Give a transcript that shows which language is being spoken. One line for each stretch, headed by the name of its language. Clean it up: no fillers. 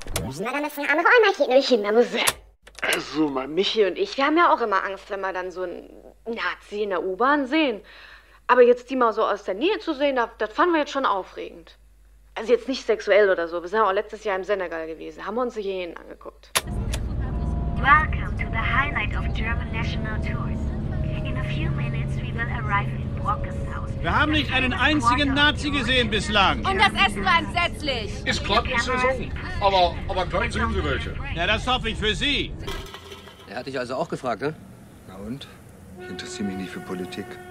German: Also, mal Michi und ich, wir haben ja auch immer Angst, wenn wir dann so einen Nazi in der U-Bahn sehen. Aber jetzt die mal so aus der Nähe zu sehen, das fanden wir jetzt schon aufregend. Also jetzt nicht sexuell oder so, wir sind auch letztes Jahr im Senegal gewesen, haben wir uns hier hin angeguckt.
English: Welcome to the highlight of German national tours. In a few minutes we will arrive in Brockenhaus.
German: Wir haben nicht einen einzigen Nazi gesehen bislang. Und das Essen war entsetzlich. Ist Klappensaison, aber gleich sehen Sie welche. Ja, das hoffe ich für Sie. Er hat dich also auch gefragt, ne? Na und? Ich interessiere mich nicht für Politik.